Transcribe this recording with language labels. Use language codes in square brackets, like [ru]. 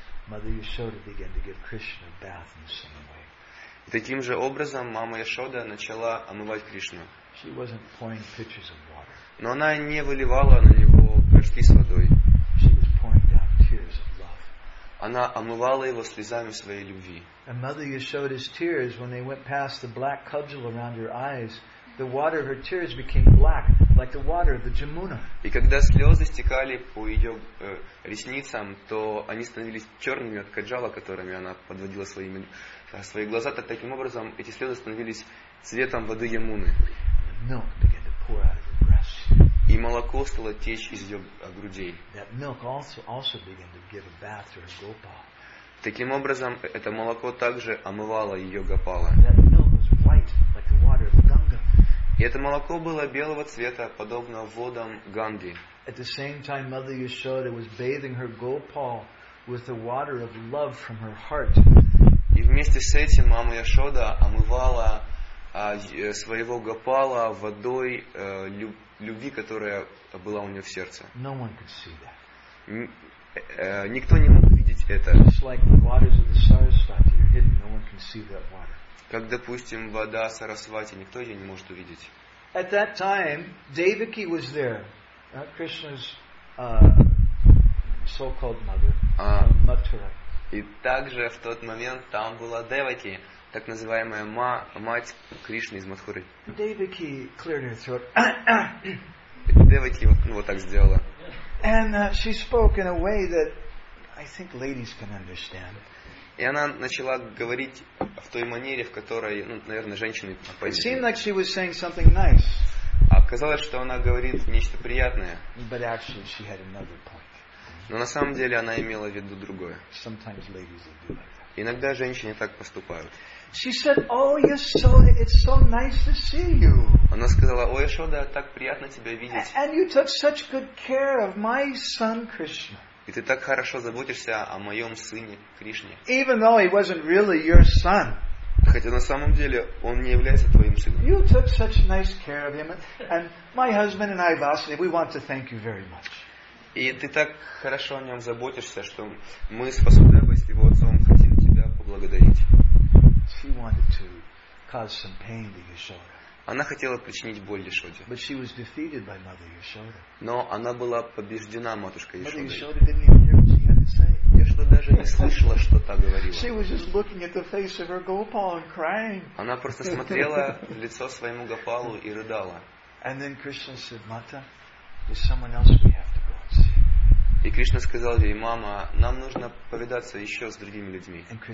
[en] Mother Yashoda began to give Krishna a bath in the same way. [ru] И таким же образом мама Яшода начала омывать Кришну. [en] She wasn't pouring pitchers of water. [ru] Но она не выливала на него горшки с водой. [en] She was pouring down tears of love. [ru] Она омывала его слезами своей любви. [en] And Mother Yashoda's tears, when they went past the black cudgel around her eyes, the water of her tears became black, like the water of the Jamuna. [ru] И когда слезы стекали по ее ресницам, то они становились черными от каджала, которыми она подводила свои глаза. Так таким образом эти слезы становились цветом воды Ямуны. [en] Milk began to pour out of her breasts. [ru] И молоко стало течь из ее грудей. [en] That milk also began to give a bath to her Gopal. [ru] Таким образом, это молоко также омывало ее Гопала. [en] That milk was white, like the water of Ganga. [ru] И это молоко было белого цвета, подобно водам Ганги. [en] At the same time, Mother Yashoda was bathing her Gopal with the water of love from her heart. [ru] И вместе с этим мама Яшода омывала своего Гопала водой любви, которая была у нее в сердце. [en] No one could see that. [ru] Никто не мог видеть это. [en] Just like the waters of the Sarasvati are hidden, no one can see that water. [ru] Как, допустим, вода Сарасвати, никто ее не может увидеть. [en] At that time, Devaki was there, Krishna's so-called mother, from Mathura. [ru] И также в тот момент там была Девати, так называемая мать Кришны из Матхуры. [en] Devaki cleared her throat. [ru] Девати вот так сделала. [en] And she spoke in a way that I think ladies can understand. [ru] И она начала говорить в той манере, в которой, ну, наверное, женщины поняли. [en] It seemed like she was saying something nice. [ru] А казалось, что она говорит нечто приятное. [en] But actually she had another point. [ru] Но на самом деле она имела в виду другое. [en] Sometimes ladies do like that. [ru] Иногда женщины так поступают. [en] She said, "Oh, Yashoda, it's so nice to see you." [ru] Она сказала: "О, Яшода, так приятно тебя видеть." [en] And you took such good care of my son Krishna. [ru] И ты так хорошо заботишься о моем сыне Кришне. [en] Even though he wasn't really your son. [ru] Хотя на самом деле он не является твоим сыном. [en] You took such nice care of him, and my husband and I, Vasudev, we want to thank you very much. [ru] И ты так хорошо о нем заботишься, что мы с Васудевой, быть его отцом, хотим тебя поблагодарить. [en] She wanted to cause some pain to Yashoda. [ru] Она хотела причинить боль Яшоде. [en] But she was defeated by Mother Yashoda. [ru] Но она была побеждена матушкой Яшодой. [en] Mother Yashoda didn't even hear what she had to say. [ru] Яшода даже не слышала, что та говорила. [en] She was just looking at the face of her Gopal and crying. [ru] Она просто смотрела в лицо своему Гопалу и рыдала. [en] And then Krishna said, Mata, there's someone else we have. [ru] И Кришна сказал ей: «Мама, нам нужно повидаться еще с другими людьми».